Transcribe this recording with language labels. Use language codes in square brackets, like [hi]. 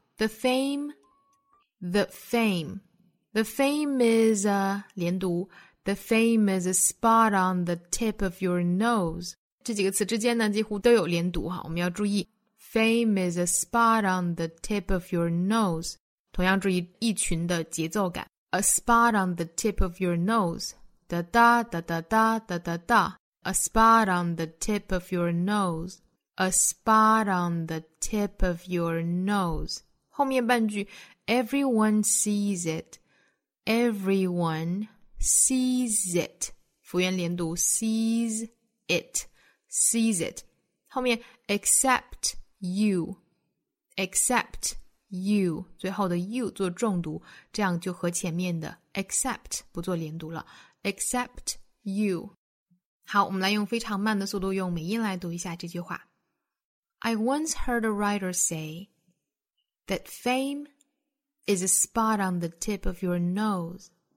[en] The fame is a spot on the tip of your nose. [zh] 这几个词之间呢几乎都有连读哈我们要注意。 [en] Fame is a spot on the tip of your nose. [zh] 同样注意一群的节奏感。 [en] A spot on the tip of your nose. 哒哒哒哒哒哒哒哒。 A spot on the tip of your nose. A spot on the tip of your nose. [zh] 后面半句 [en] Everyone sees it. Everyone sees it. [zh] 辅音连读 [en] sees it, sees it. [zh] 后面 [en] except you, except you, [zh] 最后的 you 做重读，这样就和前面的 except 不做连读了。 [en] Except you. [zh] 好，我们来用非常慢的速度用美音来读一下这句话。 [en] I once heard a writer say that fame is a spot on the tip of your nose.